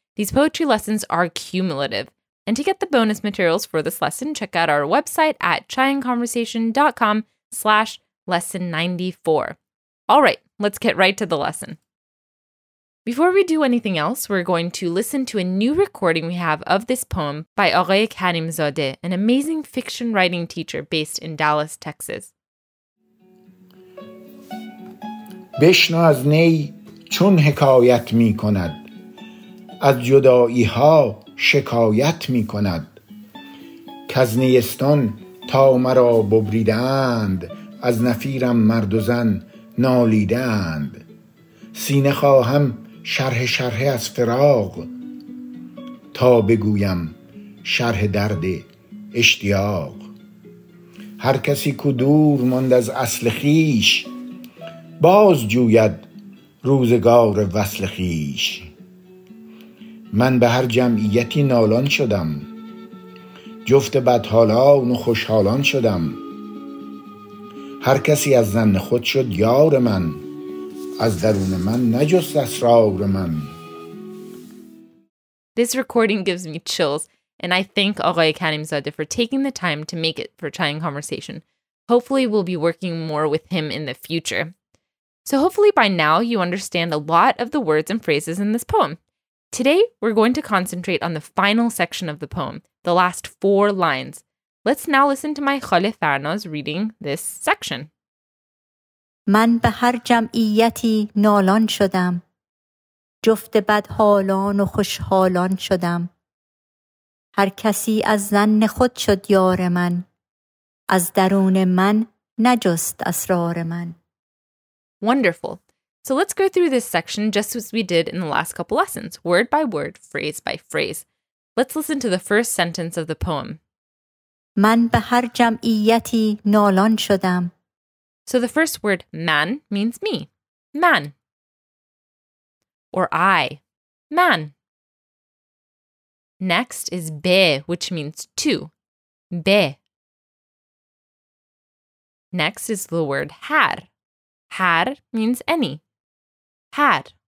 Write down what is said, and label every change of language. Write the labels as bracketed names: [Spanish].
[English] These poetry lessons are cumulative. And to get the bonus materials for this lesson, check out our website at chaiandconversation.com/lesson94. All right, let's get right to the lesson. Before we do anything else, we're going to listen to a new recording we have of this poem by Oreh Karimzadeh, an amazing fiction writing teacher based in Dallas, Texas. [Persian] بشنو از نی چون حکایت می کند از جدائی ها شکایت می کند کز نیستان تا مرا ببریدند از نفیرم مرد و زن نالیدند سینه خواهم شرح شرح از فراق تا بگویم شرح درد اشتیاق هر کسی کو دور ماند از اصل خیش باز جوید روزگار وصل خیش من به هر جمعیتی نالان شدم جفت بدحالان و خوشحالان شدم هر کسی از ظن خود شد یار من از درون من نجست اسرار من. [English] This recording gives me chills, and I thank Oreh Karimzadeh for taking the time to make it for Chai and Conversation. Hopefully we'll be working more with him in the future. So hopefully by now you understand a lot of the words and phrases in this poem. Today we're going to concentrate on the final section of the poem, the last four lines. Let's now listen to my Khale Farnaz reading this section. [Persian] من به هر جمعیتی نالان شدم جفت بد حالان و خوش حالان شدم هر کسی از ظن خود شد یار من از درون من نجست اسرار من [English] Wonderful. So let's go through this section just as we did in the last couple lessons, word by word, phrase by phrase. Let's listen to the first sentence of the poem. [Persian] من به هر جمعیتی نالان شدم. [English] So the first word, man, means me, man, or I, man. Next is be, which means to, be. Next is the word har. Har means any, har.